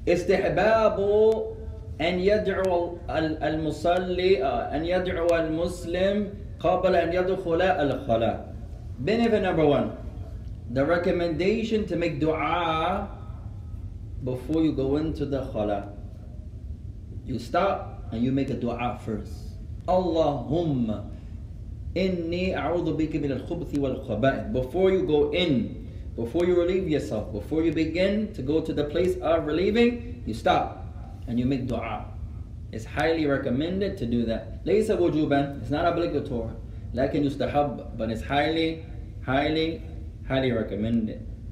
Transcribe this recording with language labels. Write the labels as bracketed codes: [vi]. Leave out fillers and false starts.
[ar] استحباب أن يدعو المصلي أن يدعو المسلم قبل أن يدخل الخلاء. [en] Benefit number one, the recommendation to make dua before you go into the khala. You stop and you make a dua first. [ar] اللهم إني أعوذ بك من الخبث والخبائث. [en] Before you go in, before you relieve yourself, before you begin to go to the place of relieving, you stop and you make dua. It's highly recommended to do that. [ar] Laysa wujuban, [en] it's not obligatory. [ar] Lakin yustahab, [en] but it's highly, highly, highly recommended.